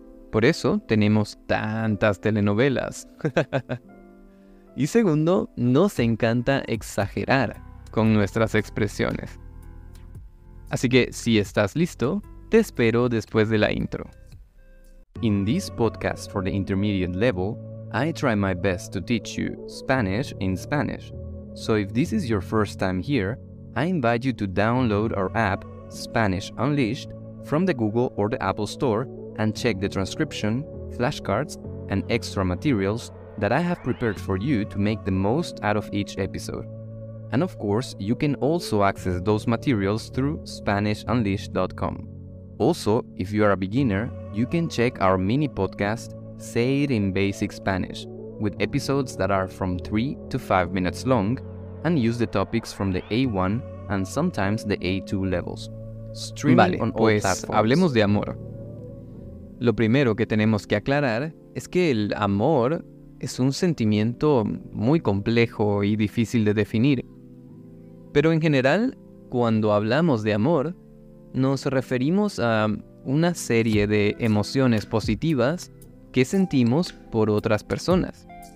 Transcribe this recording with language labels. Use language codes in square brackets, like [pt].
[es] Por eso tenemos tantas telenovelas. Y segundo, nos encanta exagerar con nuestras expresiones. Así que, si estás listo, te espero después de la intro. [en] In this podcast for the intermediate level, I try my best to teach you Spanish in Spanish. So if this is your first time here, I invite you to download our app, Spanish Unleashed, from the Google or the Apple Store and check the transcription, flashcards, and extra materials that I have prepared for you to make the most out of each episode. And of course, you can also access those materials through SpanishUnleashed.com. Also, if you are a beginner, you can check our mini podcast, Say It in Basic Spanish, with episodes that are from 3 to 5 minutes long, and use the topics from the A1 and sometimes the A2 levels. Streaming vale, on all pues platforms. Hablemos de amor. [es] Lo primero que tenemos que aclarar es que el amor es un sentimiento muy complejo y difícil de definir. Pero en general, cuando hablamos de amor, nos referimos a una serie de emociones positivas que sentimos por otras personas.